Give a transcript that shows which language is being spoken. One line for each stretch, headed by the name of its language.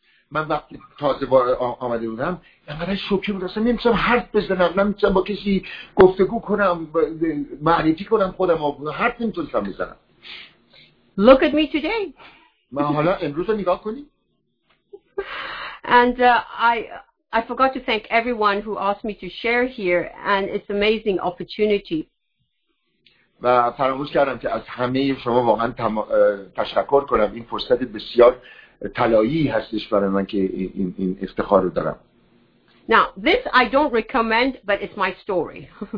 Persian: من وقتی تازه آمده بودم انقدر شوکه بودم اصلا نمیتونم حرف بزنم، نمیتونم با کسی گفتگو کنم، معرفی کنم خودم، حرف نمیتونم بزنم.
English: Look at me today.
Persian: من حالا امروز رو نگاه کنی.
English: And I forgot to thank everyone who asked me to share here, and it's amazing opportunity.
Persian: و فراموش کردم که از همه شما واقعا تشکر کنم. این فرصت بسیار طلایی هستش برای من که این افتخار رو دارم.
English: Now, this I don't recommend, but it's my story.